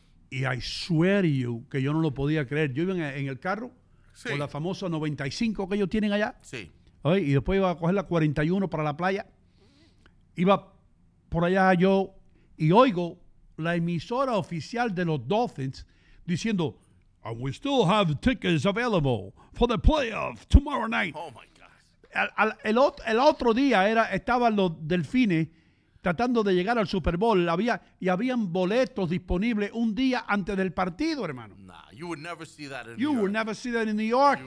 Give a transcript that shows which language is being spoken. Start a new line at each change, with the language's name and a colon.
Spanish: Y
English: I swear you
Spanish: que yo no lo podía creer. Yo iba en el carro con la famosa 95 que ellos tienen allá. Sí. Y después iba a coger la 41 para la playa. Iba por allá yo y oigo la emisora oficial de los Dolphins diciendo...
English: And we still have tickets available for the playoff tomorrow night. Oh, my God.
Spanish: El otro día estaban los delfines tratando de llegar al Super Bowl. Habían boletos disponibles un día antes del partido, hermano.
English: Nah, you would never see that in New York. You would never see that in New York.